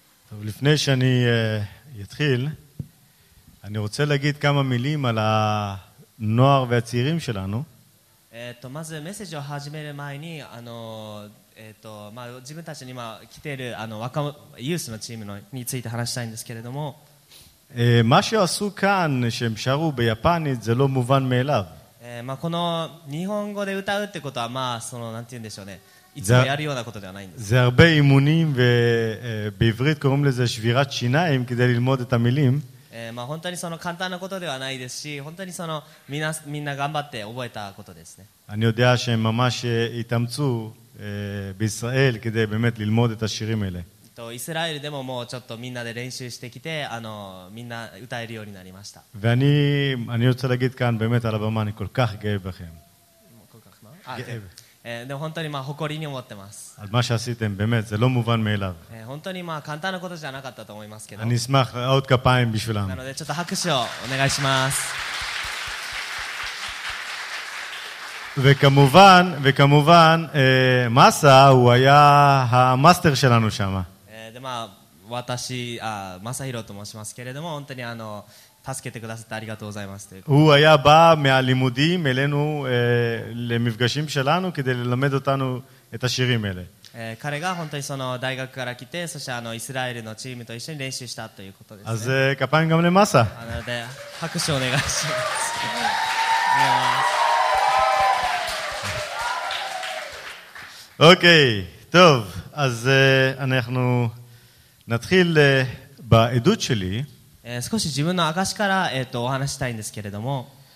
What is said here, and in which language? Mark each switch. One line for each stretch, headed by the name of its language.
Hebrew: טוב, לפני שאני אתחיל, אני רוצה להגיד כמה מילים על הנוער והצעירים שלנו.
Japanese: まずメッセージを始める前に、まあ自分たちに今来ているあの若者ユースのチームのについて話したいんですけれども。
Hebrew: מה שעשו כאן, שהם שרו ביפנית, זה לא מובן מאליו.
Japanese: まあこの日本語で歌うってことは、まあそのなんて言うんでしょうね。いつもやるようなことではないんです。
Hebrew: זה הרבה אימונים ובעברית קוראים לזה שבירת שיניים כדי ללמוד את המילים.
Japanese: まあ本当にその簡単なことではないですし、本当にそのみんな頑張って覚えたことですね。
Hebrew: אני יודע שהם ממש התאמצו בישראל כדי באמת ללמוד את השירים האלה.
Japanese: とイスラエルでももうちょっとみんなで練習してきて、あのみんな歌えるようになりました。
Hebrew: ואני רוצה להגיד כאן באמת על הבמה, אני כל כך גאה בכם. כל כך מה?
Japanese: でも本当にまあ誇りに思ってます。
Hebrew: על מה שעשיתם, באמת, זה לא מובן מאליו.
Japanese: 本当にまあ簡単なことじゃなかったと思いますけど。
Hebrew: אני אשמח עוד כפיים בשבילם.
Japanese: なのでちょっと拍手をお願いします。
Hebrew: וכמובן, מסה הוא היה המאסטר שלנו שם.
Japanese: でまあ私、マサヒロと申しますけれども、本当にあの助けてくださってありがとうございます。
Hebrew: הוא היה בא מהלימודים אלינו למפגשים שלנו כדי ללמד אותנו את השירים האלה.
Japanese: 彼が本当にその大学から来て、そしてあのイスラエルのチームと一緒に練習したということですね。
Hebrew: אז כפיים גם למסה.
Japanese: なので拍手お願いします。
Hebrew: אוקיי, טוב, אז אנחנו נתחיל בעדות שלי.
Japanese: 少し自分の証からお話したいんですけれども、